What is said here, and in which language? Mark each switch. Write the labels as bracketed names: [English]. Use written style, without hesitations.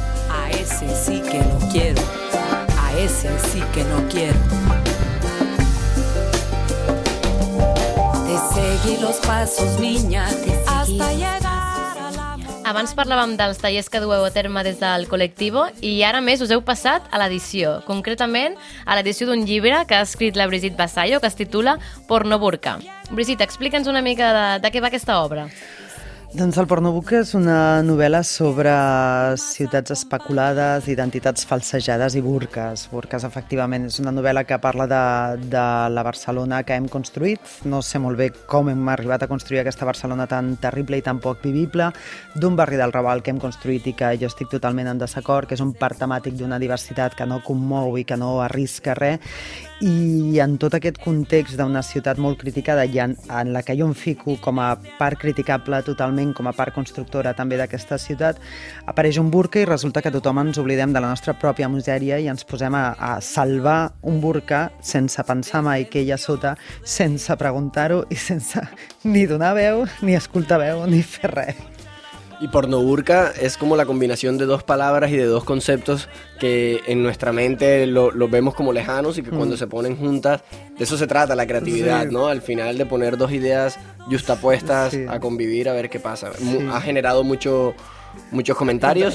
[Spanish] A ese sí que no quiero, a ese sí que no quiero. Te seguí los pasos, niña, hasta llegar. [Catalan] Abans parlàvem dels tallers que dueu a terme des del Colectivo i ara més us heu passat a l'edició, concretament a l'edició d'un llibre que ha escrit la Brigitte Vassallo que es titula Porno Burka. Brigitte, explica'ns una mica de què va aquesta obra. Doncs el Porno Burka és una novel·la sobre ciutats especulades, identitats falsejades i burques. Burques, efectivament, és una novel·la que parla de la Barcelona que hem construït. No sé molt bé com hem arribat a construir aquesta Barcelona tan terrible i tan poc vivible, d'un barri del Raval que hem construït i que jo estic totalment en desacord, que és un parc temàtic d'una diversitat que no commou i que no arrisca res. I en tot aquest context d'una ciutat molt criticada i en la que jo em fico com a part criticable totalment, com a part constructora també d'aquesta ciutat, apareix un burca i resulta que tothom ens oblidem de la nostra pròpia misèria i ens posem a salvar un burca sense pensar mai que hi ha sota, sense preguntar-ho i sense ni donar veu, ni escoltar veu, ni fer res. [Spanish] Y porno burka es como la combinación de dos palabras y de dos conceptos que en nuestra mente lo vemos como lejanos y que cuando se ponen juntas, de eso se trata la creatividad, sí. ¿No? Al final de poner dos ideas yustapuestas a convivir a ver qué pasa. Sí. Ha generado muchos comentarios.